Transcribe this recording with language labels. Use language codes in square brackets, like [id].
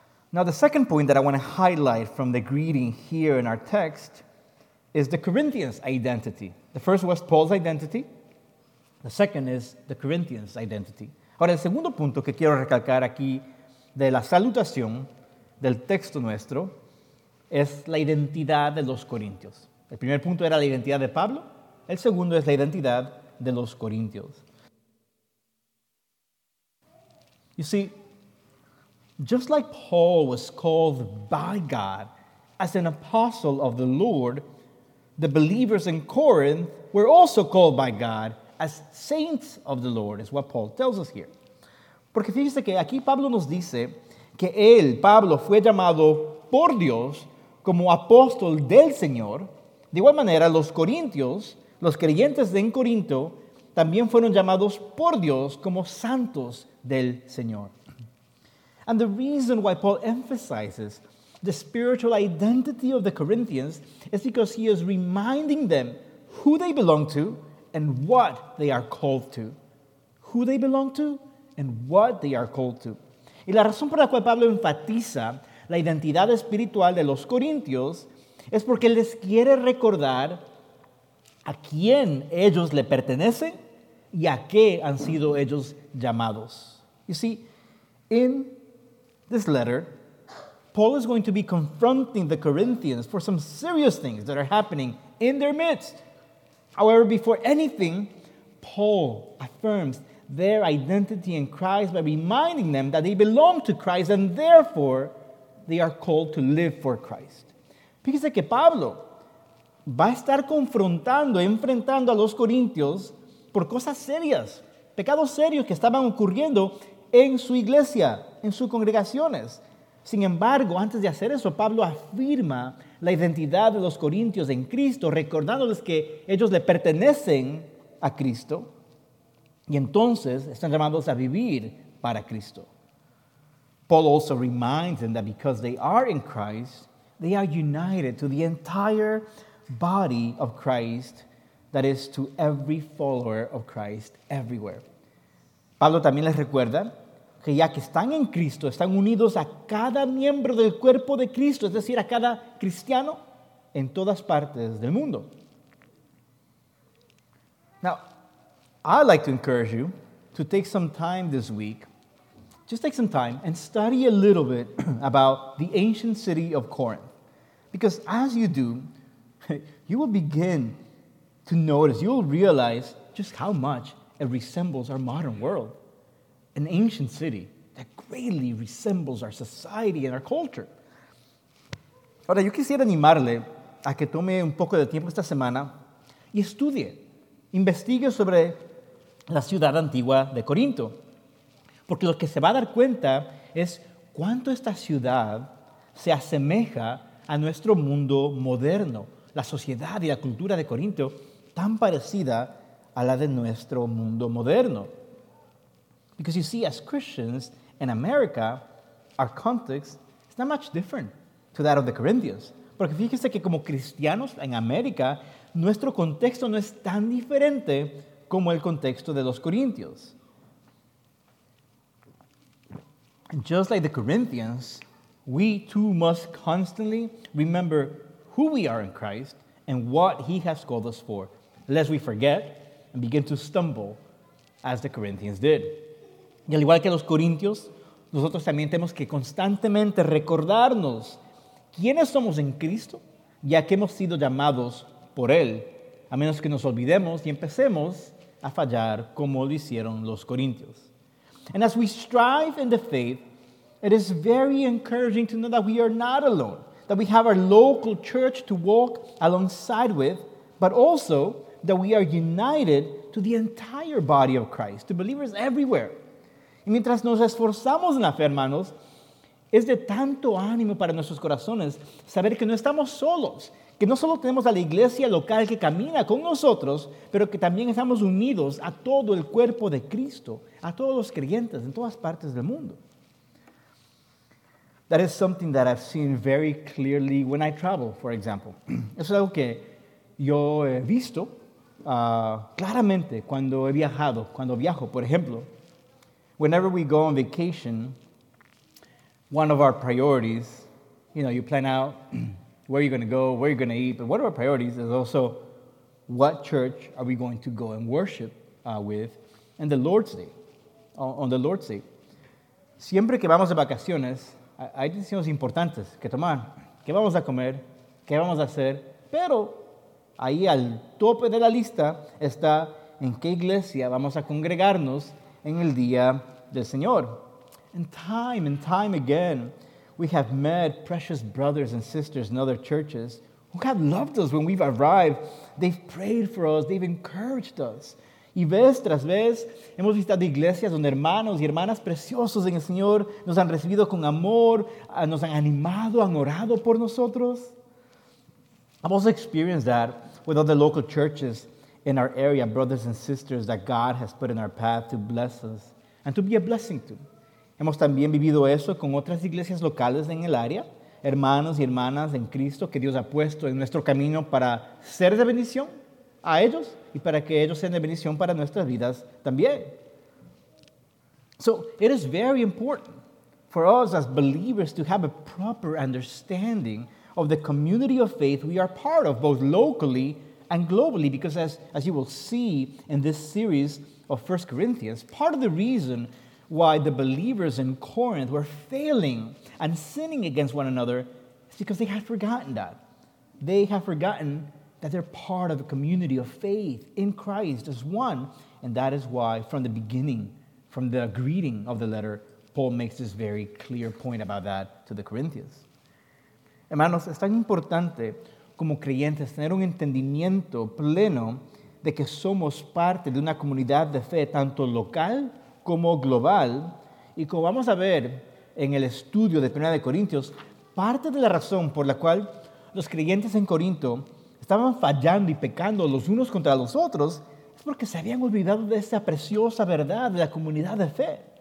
[en] Now, the second point that I want to highlight from the greeting here in our text is the Corinthians' identity. The first was Paul's identity. The second is the Corinthians' identity. [es] Ahora, el segundo punto que quiero recalcar aquí de la salutación del texto nuestro es la identidad de los corintios. El primer punto era la identidad de Pablo. El segundo es la identidad de los corintios. [en] You see, just like Paul was called by God as an apostle of the Lord, the believers in Corinth were also called by God as saints of the Lord, is what Paul tells us here. [es] Porque fíjese que aquí Pablo nos dice que él, Pablo, fue llamado por Dios como apóstol del Señor. De igual manera, los corintios, los creyentes en Corinto, también fueron llamados por Dios como santos del Señor. [en] And the reason why Paul emphasizes the spiritual identity of the Corinthians is because he is reminding them who they belong to and what they are called to. Who they belong to and what they are called to. [es] Y la razón por la cual Pablo enfatiza la identidad espiritual de los corintios es porque les quiere recordar a quién ellos le pertenecen y a qué han sido ellos llamados. [en] You see, in this letter, Paul is going to be confronting the Corinthians for some serious things that are happening in their midst. However, before anything, Paul affirms their identity in Christ by reminding them that they belong to Christ and therefore they are called to live for Christ. [es] Fíjese que Pablo va a estar confrontando, enfrentando a los corintios por cosas serias, pecados serios que estaban ocurriendo en su iglesia, en sus congregaciones. Sin embargo, antes de hacer eso, Pablo afirma la identidad de los corintios en Cristo, recordándoles que ellos le pertenecen a Cristo y entonces están llamados a vivir para Cristo. [en] Paul also reminds them that because they are in Christ, they are united to the entire body of Christ, that is, to every follower of Christ everywhere. [es] Pablo también les recuerda que ya que están en Cristo, están unidos a cada miembro del cuerpo de Cristo, es decir, a cada cristiano en todas partes del mundo. [en] Now, I'd like to encourage you to take some time this week, just take some time and study a little bit about the ancient city of Corinth. Because as you do, you will begin to notice, you will realize just how much it resembles our modern world, an ancient city that greatly resembles our society and our culture. [es] Ahora, yo quisiera animarle a que tome un poco de tiempo esta semana y estudie, investigue sobre la ciudad antigua de Corinto. Porque lo que se va a dar cuenta es cuánto esta ciudad se asemeja a nuestro mundo moderno, la sociedad y la cultura de Corinto, tan parecida a la de nuestro mundo moderno. [en] Because you see, as Christians in America, our context is not much different to that of the Corinthians. [es] Porque fíjense que como cristianos en América, nuestro contexto no es tan diferente como el contexto de los corintios. [en] And just like the Corinthians, we too must constantly remember who we are in Christ and what he has called us for, lest we forget and begin to stumble as the Corinthians did. [es] Y al igual que los corintios, nosotros también tenemos que constantemente recordarnos quiénes somos en Cristo, ya que hemos sido llamados por él, a menos que nos olvidemos y empecemos a fallar como lo hicieron los corintios. [en] And as we strive in the faith, it is very encouraging to know that we are not alone, that we have our local church to walk alongside with, but also that we are united to the entire body of Christ, to believers everywhere. [es] Y mientras nos esforzamos en la fe, hermanos, es de tanto ánimo para nuestros corazones saber que no estamos solos, que no solo tenemos a la iglesia local que camina con nosotros, pero que también estamos unidos a todo el cuerpo de Cristo, a todos los creyentes en todas partes del mundo. [en] That is something that I've seen very clearly when I travel, for example. [es] Eso es algo que yo he visto claramente cuando he viajado, cuando viajo, por ejemplo. [en] Whenever we go on vacation, one of our priorities, you know, you plan out where you're going to go, where you're going to eat, but one of our priorities is also what church are we going to go and worship with on the Lord's Day. [es] Siempre que vamos de vacaciones, hay decisiones importantes que tomar. ¿Qué vamos a comer? ¿Qué vamos a hacer? Pero ahí al tope de la lista está en qué iglesia vamos a congregarnos en el día del Señor. [en] And time again, we have met precious brothers and sisters in other churches who have loved us when we've arrived. They've prayed for us. They've encouraged us. [es] Y vez tras vez, hemos visitado iglesias donde hermanos y hermanas preciosos en el Señor nos han recibido con amor, nos han animado, han orado por nosotros. [en] I've also experienced that with other local churches in our area, brothers and sisters that God has put in our path to bless us and to be a blessing to. [es] Hemos también vivido eso con otras iglesias locales en el área, hermanos y hermanas en Cristo que Dios ha puesto en nuestro camino para ser de bendición a ellos y para que ellos sean de bendición para nuestras vidas también. [en] So, it is very important for us as believers to have a proper understanding of the community of faith we are part of, both locally and globally, because as you will see in this series of 1 Corinthians, part of the reason why the believers in Corinth were failing and sinning against one another is because they had forgotten that. They have forgotten that they're part of a community of faith in Christ as one. And that is why, from the beginning, from the greeting of the letter, Paul makes this very clear point about that to the Corinthians. [es] Hermanos, es tan importante como creyentes tener un entendimiento pleno de que somos parte de una comunidad de fe tanto local como global, y como vamos a ver en el estudio de 1 Corintios, parte de la razón por la cual los creyentes en Corinto estaban fallando y pecando los unos contra los otros es porque se habían olvidado de esa preciosa verdad de la comunidad de fe.